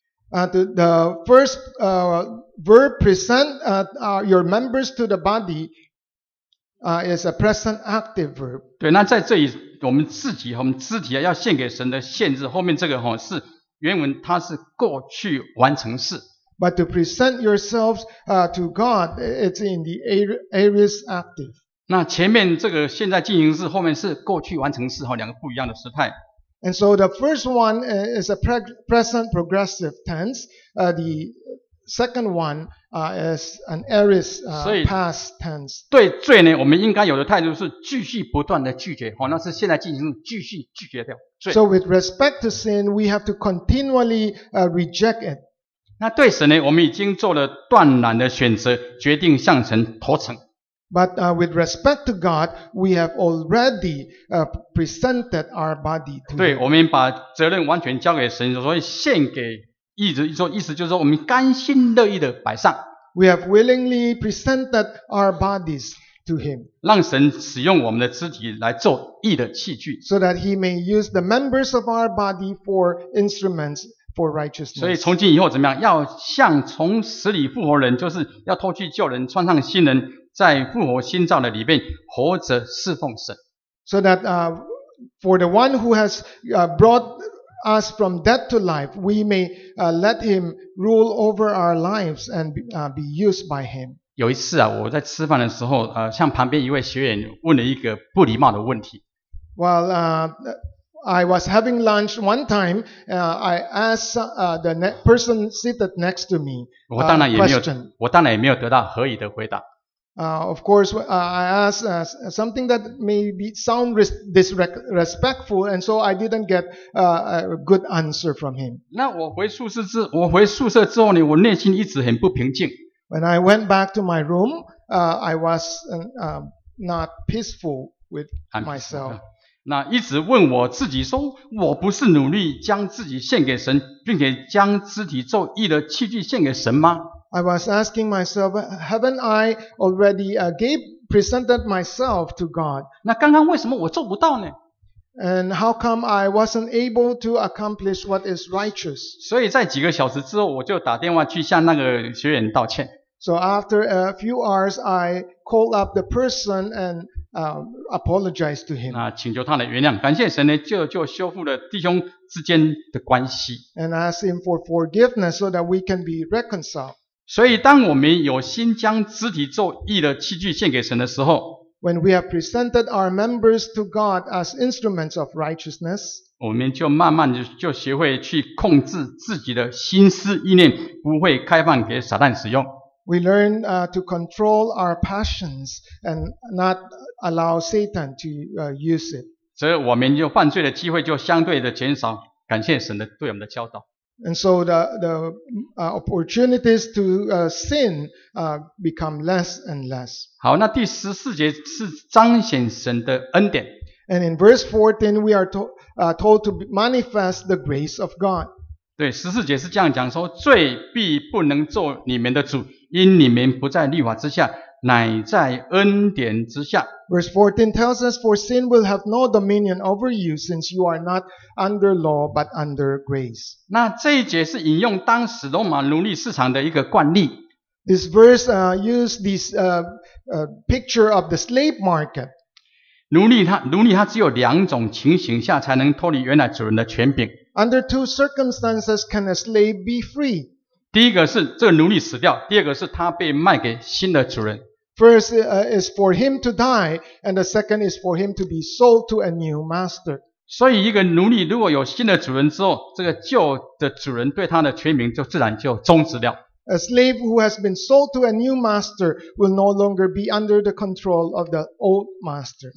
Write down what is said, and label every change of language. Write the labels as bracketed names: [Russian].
[English] The first verb present your members to the body is a present active verb. [Chinese] 对，那在这里我们自己我们肢体要献给神的限制，后面这个是原文，它是过去完成式。 [English] But to present yourselves to God, it's in the aorist active. [Chinese] 那前面这个现在进行式，后面是过去完成式，两个不一样的时态。 [English] And so the first one is a present progressive tense. The second one is an aorist past tense. [Chinese] 对罪呢，我们应该有的态度是继续不断的拒绝，那是现在进行式，继续拒绝掉罪。 [English] So with respect to sin, we have to continually reject it. [Chinese] 那对神呢，我们已经做了断然的选择，决定向神投诚。 [English] But with respect to God, we have already presented our body to Him. [Chinese] 对，我们把责任完全交给神，所以献给意志，意思就是说我们甘心乐意的摆上。 [English] We have willingly presented our bodies to Him. [Chinese] 让神使用我们的肢体来做义的器具。 [English] So that He may use the members of our body for instruments. For righteousness. [Chinese] 所以从今以后怎么样？要像从死里复活人，就是要脱去旧人，穿上新人，在复活新造的里面活着侍奉神。 [English] So that for the one who has brought us from death to life, we may let him rule over our lives and be used by him. [Chinese] 有一次我在吃饭的时候，向旁边一位学员问了一个不礼貌的问题。 [English] Well, I was having lunch one time. I asked the person seated next to me a question. [Chinese] 我当然也没有得到合理的回答。 [English] Of course, I asked something that may be sound disrespectful, and so I didn't get a good answer from him. [Chinese] 那我回宿舍之后呢，我内心一直很不平静。 [English] When I went back to my room, I was not peaceful with myself. [Chinese] 那一直问我自己说，我不是努力将自己献给神，并且将肢体做义的器具献给神吗？ [English] I was asking myself, haven't I already presented myself to God? [Chinese] 那刚刚为什么我做不到呢？ [English] And how come I wasn't able to accomplish what is righteous? [Chinese] 所以在几个小时之后，我就打电话去向那个学员道歉。 [English] So after a few hours, I called up the person andapologize to him. [Chinese] 请求他的原谅，感谢神呢，就修复了弟兄之间的关系。 [English] And ask him for forgiveness so that we can be reconciled. [Chinese] 所以当我们有心将肢体做义的器具献给神的时候， [English] When we have presented our members to God as instruments of righteousness, [Chinese] 我们就慢慢就学会去控制自己的心思意念，不会开放给撒旦使用。 [English] We learn to control our passions and not allow Satan to use it. [Chinese] 所以我们就犯罪的机会就相对的减少，感谢神的对我们的教导。 [English] And so the opportunities to sin become less and less. [Chinese] 好，那第十四节是彰显神的恩典。 [English] And in verse 14, we are told to manifest the grace of God. [Chinese] 对，十四节是这样讲说，罪必不能做你们的主。因你们不在律法之下，乃在恩典之下。 [English] Verse 14 tells us, for sin will have no dominion over you, since you are not under law but under grace. [Chinese] 那这一节是引用当时罗马奴隶市场的一个惯例。 [English] This verse used this picture of the slave market. [Chinese] 奴隶他只有两种情形下才能脱离原来主人的权柄。 [English] Under two circumstances can a slave be free? [Chinese] 第一个是这个奴隶死掉，第二个是他被卖给新的主人。 [English] First is for him to die, and the second is for him to be sold to a new master. [Chinese] 所以一个奴隶如果有新的主人之后，这个旧的主人对他的权柄就自然就终止掉。 [English] A slave who has been sold to a new master will no longer be under the control of the old master.